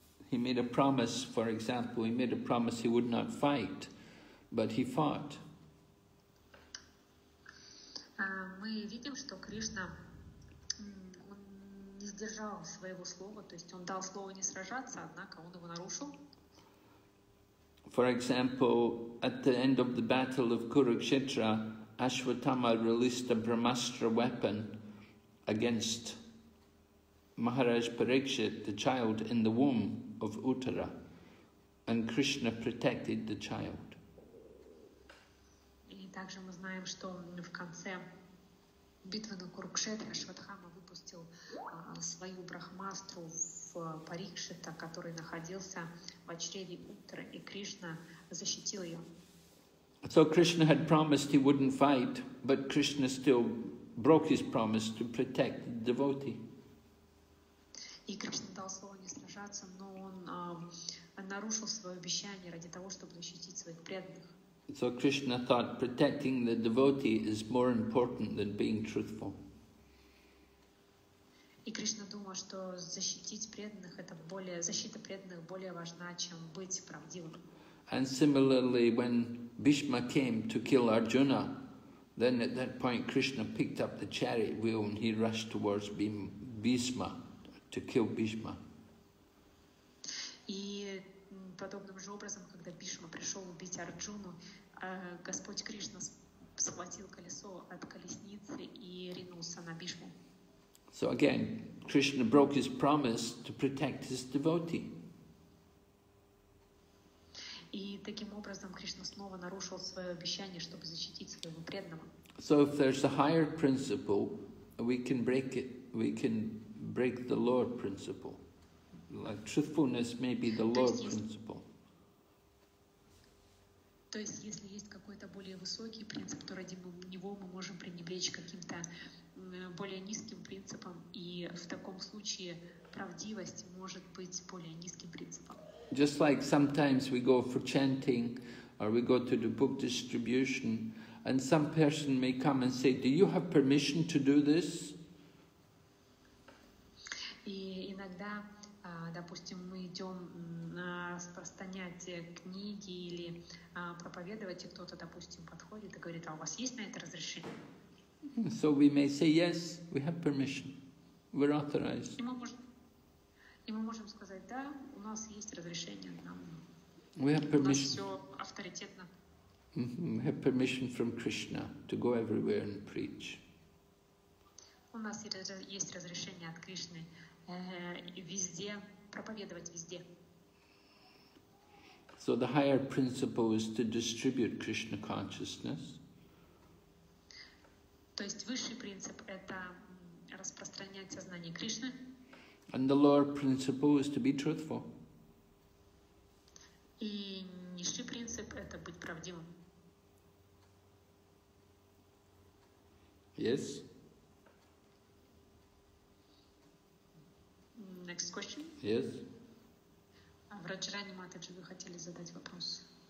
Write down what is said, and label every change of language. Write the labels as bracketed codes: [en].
[en] He made a promise, for example, he made a promise he would not fight, but he fought. [ru] Мы видим, что Кришна не сдержал своего слова, то есть он дал слово не сражаться, однако он его нарушил. [en] For example, at the end of the battle of Kurukshetra, Ashwatthama released a Brahmastra weapon against Maharaj Parikshit, the child in the womb of Uttara, and Krishna protected the child. [ru] И также мы знаем, что в конце битвы на Курукшетре Ашватхама выпустил свою брахмастру в Парикшита, который находился в чреве Уттары, и Кришна защитил ее. [en] So Krishna had promised he wouldn't fight, but Krishna still broke his promise to protect the devotee. [ru] И Кришна дал слово не сражаться, но он нарушил свое обещание ради того, чтобы защитить своих преданных. [en] So Krishna thought protecting the devotee is more important than being truthful. [ru] И Кришна думал, что защитить преданных это более защита преданных более важна, чем быть правдивым. [en] And similarly, when Bhishma came to kill Arjuna, then at that point Krishna picked up the chariot wheel and he rushed towards Bhishma to kill Bhishma. [ru] И подобным же образом, когда Бишма пришел убить Арджуну, Господь Кришна схватил колесо от колесницы и ринулся на Бишму. [en] So again, Krishna broke his promise to protect his devotee. [ru] И таким образом Кришна снова нарушил свое обещание, чтобы защитить своего преданного. [en] So if there's a higher principle, we can break it. We can break the Lord principle. Like truthfulness may be the Lord principle. [ru] То есть, если есть какой-то более высокий принцип, то ради него мы можем пренебречь каким-то более низким принципом, и в таком случае правдивость может быть более низким принципом. [en] Just like sometimes we go for chanting, or we go to the book distribution, and some person may come and say, "Do you have permission to do this?" [ru] И иногда, допустим, мы идем на распространять книги или проповедовать, и кто-то, допустим, подходит и говорит, а у вас есть на это разрешение? [en] So we may say, yes, we have permission. We're authorized. [ru] И мы можем сказать, да, у нас есть разрешение. [en] We have permission. [ru] У нас все авторитетно. Mm-hmm. [en] We have permission from Krishna to go everywhere and preach. [ru] У нас есть разрешение от Кришны везде проповедовать везде. [en] So the higher principle is to distribute Krishna consciousness. [ru] То есть высший принцип это распространять сознание Кришны. [en] And the lower principle is to be truthful. [ru] И низший принцип это быть правдивым. [en] Yes. Next question. Yes. [ru] Раджарани Матаджи, вы хотели задать вопрос?